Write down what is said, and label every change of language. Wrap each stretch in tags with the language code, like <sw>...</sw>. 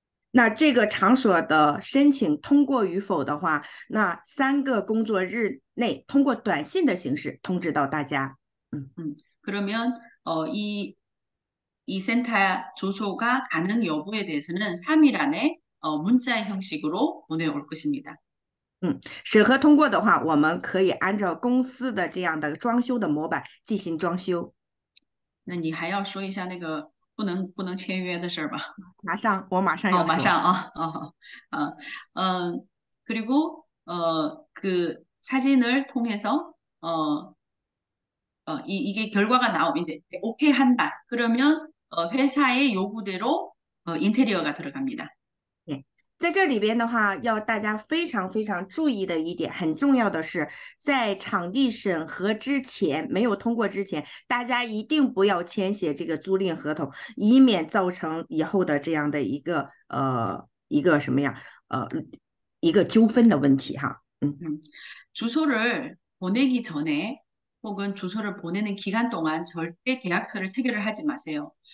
<zh>那这个场所的申请通过与否的话，那3个工作日内通过短信的形式通知到大家。</zh> <ko>그러면 이 센터 주소가 가능 여부에 대해서는 3일 안에 문자 형식으로 보내올 것입니다.</ko> <zh>审核通过的话，我们可以按照公司的这样的装修的模板进行装修。那你还要说一下那个不能签约的事儿吧？我马上好，要马说。上啊，</zh> <ko>그리고 그 사진을 통해서 이게 결과가 나오면 이제 오케이 한다. 그러면 회사의 요구대로 인테리어가 들어갑니다.</ko> <zh>在这里边的话，要大家非常非常注意的一点，很重要的是，在场地审核之前，没有通过之前，大家一定不要签写这个租赁合同，以免造成以后的这样的一个什么呀，一个纠纷的问题哈。</zh> <ko>주소를 보내기 전에 혹은 주소를 보내는 기간 동안 절대 계약서를 체결을 하지 마세요.</ko>